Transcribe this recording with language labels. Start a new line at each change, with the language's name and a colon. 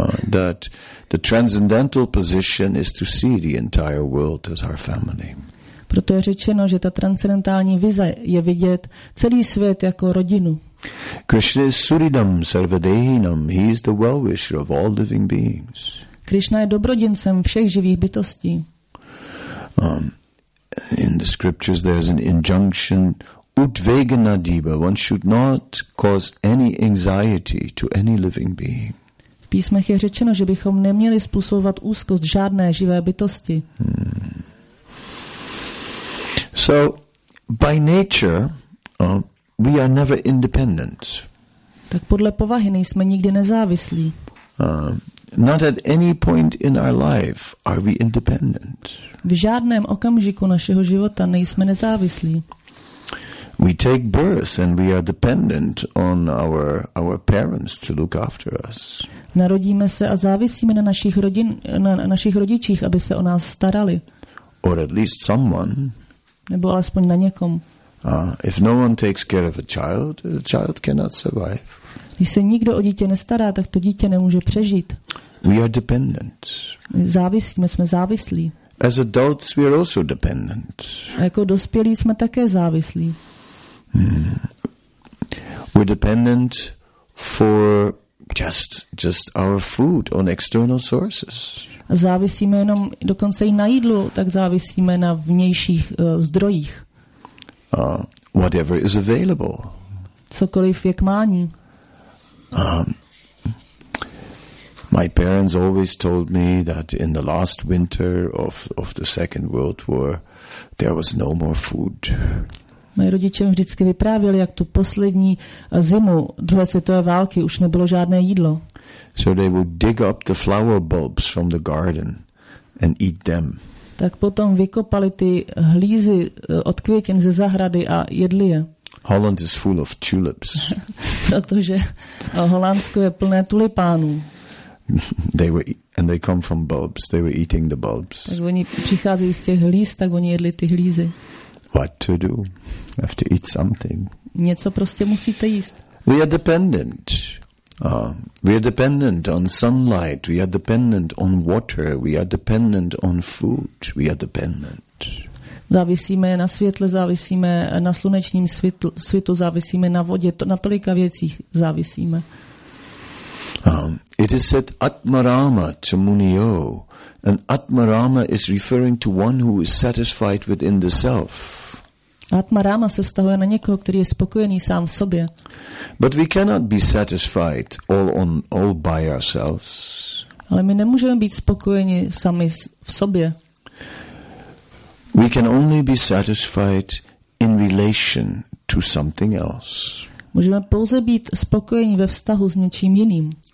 English: That the transcendental position is to see the entire world as our family.
Czech: Proto je řečeno, že ta transcendentální vize je vidět celý svět jako rodinu.
English: Krishna is
Sanskrit: Suridam Sarvadehinam.
English: He is the well-wisher of all living beings.
Czech: Krishna je dobrodincem všech živých bytostí.
English: In the scriptures there is an injunction, Udveganadiva, one should not cause any anxiety to any living being.
Czech: V písmech je řečeno, že bychom neměli způsobovat úzkost žádné živé bytosti.
English: So, by nature, we are never independent.
Czech: Tak podle povahy nejsme nikdy nezávislí.
English: Not at any point in our life are we independent.
Czech: V žádném okamžiku našeho života nejsme nezávislí.
English: We take birth and we are dependent on our parents to look after us.
Czech: Narodíme se a závisíme na našich rodin na našich rodičích, aby se o nás starali.
English: Or at least someone.
Czech: Nebo alespoň na někom.
English: If no one takes care of a child cannot survive.
Czech: Když se nikdo o dítě nestará, tak to dítě nemůže přežít.
English: We are dependent.
Czech: Závisíme, jsme závislí.
English: As adults, we are also dependent.
Czech: A jako dospělí jsme také závislí.
English: We're dependent for just our food on external sources.
Czech: Závisíme jenom dokonce i na jídlu, tak závisíme na vnějších zdrojích.
English: Whatever is available.
Czech: Cokoliv je k mání.
English: My parents always told me that in the last winter of the Second World War there was no more food.
Czech: Moji rodiče vždycky vyprávěli, jak tu poslední zimu druhé světové války už nebylo žádné jídlo.
English: So they would dig up the flower bulbs from the garden and eat them.
Czech: Tak potom vykopali ty hlízy od květin ze zahrady a jedli je.
English: Holland is full of tulips.
Czech: Protože Holandsko je plné tulipánů.
English: They come from bulbs. They were eating the bulbs.
Czech: Tak oni přicházejí z těch hlíz, tak oni jedli ty hlízy.
English: What to do? Have to eat something.
Czech: Něco prostě musíte jíst.
English: We are dependent. We are dependent on sunlight. We are dependent on water. We are dependent on food. We are dependent.
Czech: Závisíme na světle, závisíme na slunečním svitu, závisíme na vodě, na tolika věcích závisíme.
English: It is said
Sanskrit: Atmarama to Muniyo.
English: And Atmarama is referring to one who is satisfied within the self.
Czech: Atma Rama se vztahuje na někoho, který je spokojený sám v sobě.
English: But we cannot be satisfied all by ourselves.
Czech: Ale my nemůžeme být spokojeni sami v sobě.
English: We can only be satisfied in relation to something else.
Czech: Můžeme pouze být spokojeni ve vztahu s něčím jiným.